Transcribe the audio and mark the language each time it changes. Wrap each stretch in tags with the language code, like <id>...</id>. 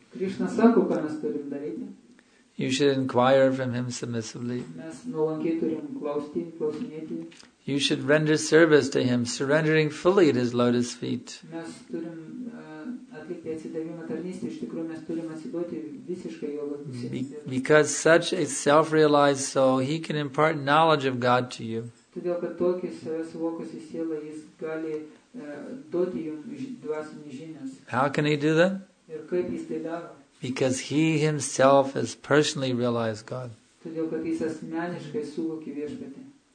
<lt>Krishna sako, ką mes turim daryti.</lt> <en>You should inquire from him submissively.</en> <lt>Mes nuolankiai turim klausti, klausinėti.</lt> <en>You should render service to him, surrendering fully at his lotus feet.</en> <lt>Mes turim atlikti atsidavimą tarnystę, iš tikrųjų mes turim atsiduoti visiškai jo</lt> <en>lotus feet. Because such a self-realized soul, he can impart knowledge of God to you.</en> <lt>Todėl kad tokį save suvokusį sielą jis gali duoti jums dvasinės žinias.</lt> <en>How can he do that?</en> <lt>Ir kaip jis tai daro?</lt> <en>Because he himself has personally realized God.</en> <lt>Todėl kad jis asmeniškai suvokė viešpatį.</lt>